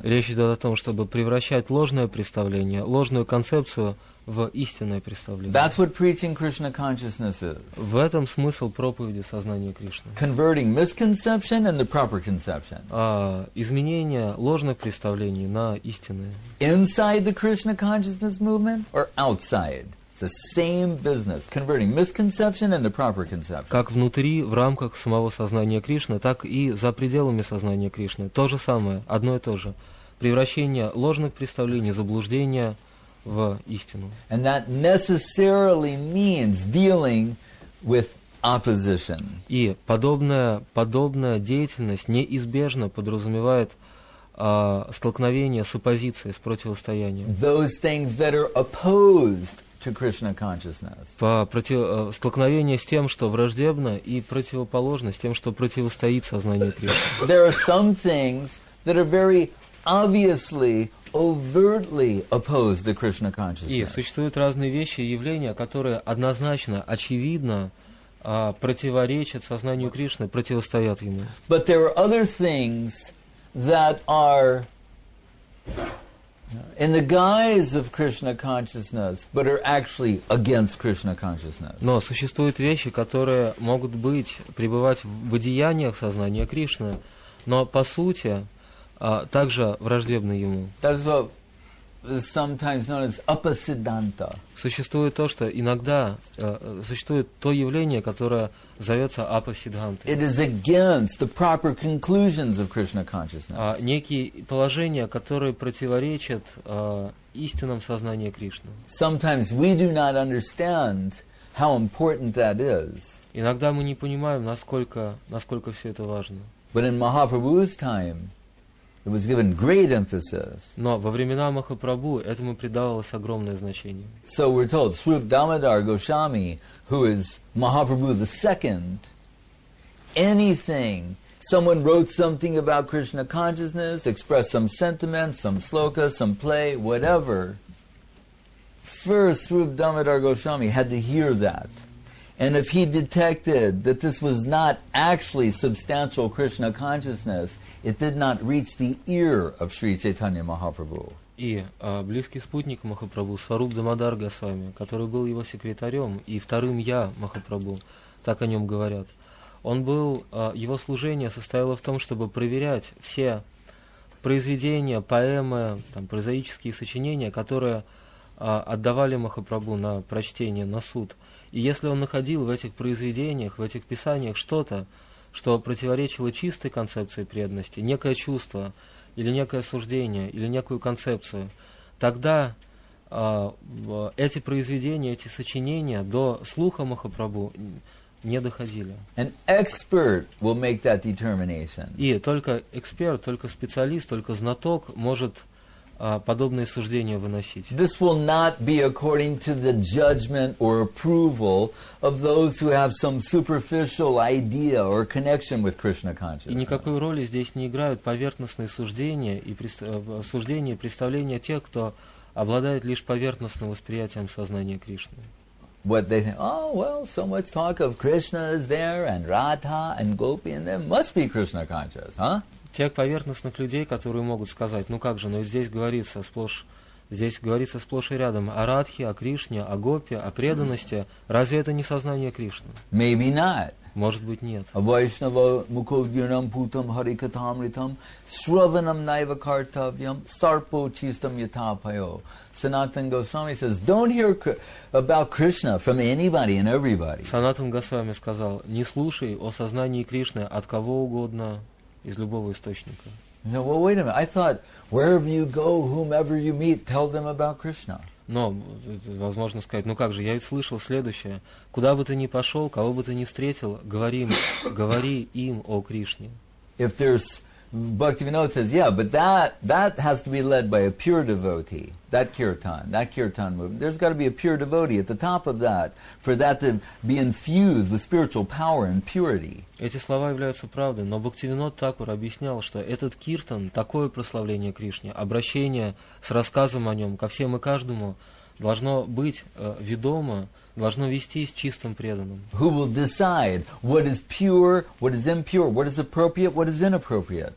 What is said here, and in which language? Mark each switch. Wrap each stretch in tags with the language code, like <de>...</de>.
<ru>Речь идет о том, чтобы превращать ложное представление, ложную концепцию в истинное представление.</ru> <en>That's what preaching Krishna consciousness is.</en> <ru>В этом смысл проповеди сознания Кришны.</ru> <en>Converting misconception into proper conception.</en> <ru>Изменение ложных представлений на истинные.</ru> <en>Inside the Krishna consciousness movement or outside? The same business, converting misconception into proper conception.</en> <ru>Как внутри, в рамках самого сознания Кришны, так и за пределами сознания Кришны. То же самое, одно и то же. Превращение ложных представлений, заблуждения в истину.</ru> <en>And that necessarily means dealing with opposition.</en> <ru>И подобная деятельность неизбежно подразумевает столкновение с оппозицией, с противостоянием.</ru> <en>Those things that are opposed to Krishna consciousness.</en> <ru>Столкновение с тем, что враждебно, и противоположно с тем, что противостоит сознанию Кришны.</ru> <en>There are some things that are very obviously, overtly opposed to Krishna consciousness.</en> <ru>И существуют разные вещи и явления, которые однозначно, очевидно противоречат сознанию Кришны, противостоят ему.</ru> <en>But there are other things that are in the guise of Krishna consciousness, but are actually against Krishna consciousness.</en> <ru>Но существуют вещи, которые могут быть, пребывать в одеяниях сознания Кришны, но по сути также враждебны ему.</ru> <en>That is what is sometimes known as apasiddhanta.</en> <ru>Существует то, что иногда существует то явление, которое зовется апасиддханта.</ru> <en>It is against the proper conclusions of Krishna consciousness.</en> <ru>Некие положения, которые противоречат истинам сознания Кришны.</ru> <en>Sometimes we do not understand how important that is.</en> <ru>Иногда мы не понимаем, насколько все это важно.</ru> <en>But in Mahaprabhu's time, it was given great emphasis.</en> <ru>Но во времена Махапрабху этому придавалось огромное значение.</ru> <en>So we're told, Srup Damodar Goswami, who is Mahaprabhu the second, anything, someone wrote something about Krishna consciousness, expressed some sentiment, some sloka, some play, whatever, first Srup Damodar Goswami had to hear that. And if he detected that this was not actually substantial Krishna consciousness, it did not reach the ear of Sri Chaitanya Mahaprabhu.</en> <ru>И близкий спутник Махапрабху, Сваруп Дамодар Госвами, который был его секретарем и вторым я Махапрабху, так о нем говорят, он был, его служение состояло в том, чтобы проверять все произведения, поэмы, там, прозаические сочинения, которые отдавали Махапрабху на прочтение, на суд. И если он находил в этих произведениях, в этих писаниях что-то, что противоречило чистой концепции преданности, некое чувство, или некое суждение, или некую концепцию, тогда эти произведения, эти сочинения до слуха Махапрабху не доходили.</ru> <en>An expert will make that determination.</en> <ru>И только эксперт, только специалист, только знаток может подобные суждения выносить.</ru> <en>This will not be according to the judgment or approval of those who have some superficial idea or connection with Krishna consciousness.</en> <ru>И никакой роли здесь не играют поверхностные суждения и суждения, представления тех, кто обладает лишь поверхностным восприятием сознания Кришны.</ru> <en>What they think, oh, well, so much talk of Krishna is there, and Radha, and Gopi, and there must be Krishna conscious, huh?</en> <ru>Тех поверхностных людей, которые могут сказать, ну как же, но ну здесь говорится сплошь и рядом о Радхе, о Кришне, о Гопе, о преданности. Разве это не сознание Кришны?</ru> <en>Maybe not.</en> <ru>Может быть, нет.</ru> <sa>Вайшнава мукхогирнам путам харикатамритам сраванам наива картавьям сарпо чистам ятапайо.</sa> <en>Санатан Госвами says, don't hear about Krishna from anybody and everybody.</en> <ru>Санатан Госвами сказал, не слушай о сознании Кришны от кого угодно, из любого источника.</ru> <en>No, well, wait a minute. I thought, wherever you go, whomever you meet, tell them about Krishna.</en> <ru>Но, возможно, сказать, ну как же, я ведь слышал следующее. Куда бы ты ни пошел, кого бы ты ни встретил, говори им о Кришне.</ru> <en>If there's Bhaktivinoda says, yeah, but that has to be led by a pure devotee, that kirtan movement. There's got to be a pure devotee at the top of that for that to be infused with spiritual power and purity.</en> <ru>Эти слова являются правдой, но Бхактивинод Такур объяснял, что этот киртан, такое прославление Кришне, обращение с рассказом о нем ко всем и каждому, должно быть ведомо должно вестись чистым преданным.</ru> <en>Who will decide what is pure, what is impure, what is appropriate, what is inappropriate?</en>